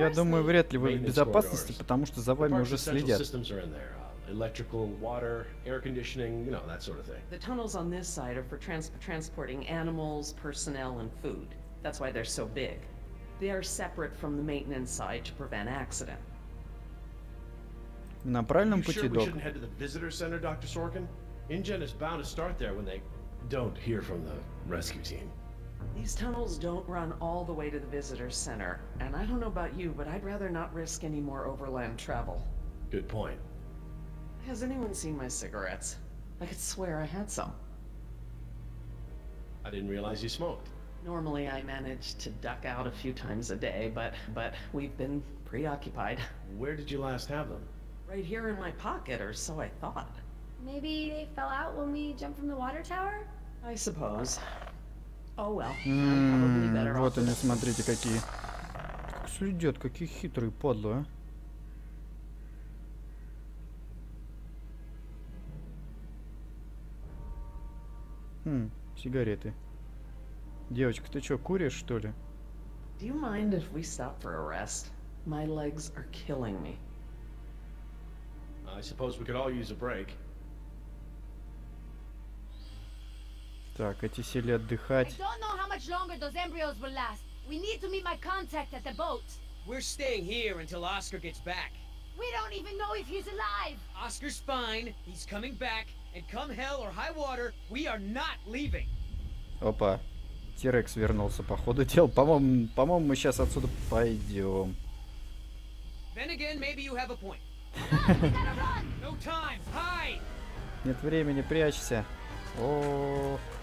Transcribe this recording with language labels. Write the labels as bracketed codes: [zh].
[ru] Я думаю, вряд ли вы в безопасности, потому что за вами уже следят. [en] The systems are in there. Electrical, water, air conditioning, you know, that sort of thing. The tunnels on this side are for transporting animals, personnel, and food. That's why they're so big. They are separate from the maintenance side to prevent accident. [ru] На правильном пути, [en] док. You sure we shouldn't head to the visitor center, Dr. Sorkin? InGen is bound to start there when they don't hear from the rescue team. These tunnels don't run all the way to the visitor center, and I don't know about you, but I'd rather not risk any more overland travel. Good point. Has anyone seen my cigarettes? I could swear I had some. I didn't realize you smoked. Normally I manage to duck out a few times a day, but we've been preoccupied. Where did you last have them? Right here in my pocket, or so I thought. Maybe they fell out when we jumped from the water tower? I suppose. Oh well. [ru] Вот они, смотрите, какие. Как следят, какие хитрые подлые. Сигареты. Девочка, ты что, куришь, что ли? [en] Do you mind if we stop for a rest? My legs are killing me. I suppose we could all use a break. [ru] Так, эти сели отдыхать. [en] I don't know how much longer those embryos will last. We need to meet my contact at the boat. We're staying here until Oscar gets back. We don't even know if he's alive. Oscar's fine. He's coming back. And come hell or high water, we are not leaving. [ru] Опа. Тирекс вернулся, походу, дел. По-моему, мы сейчас отсюда пойдем. [en] Then again, maybe you have a point. No time. Hide. [ru] Нет времени, прячься. О.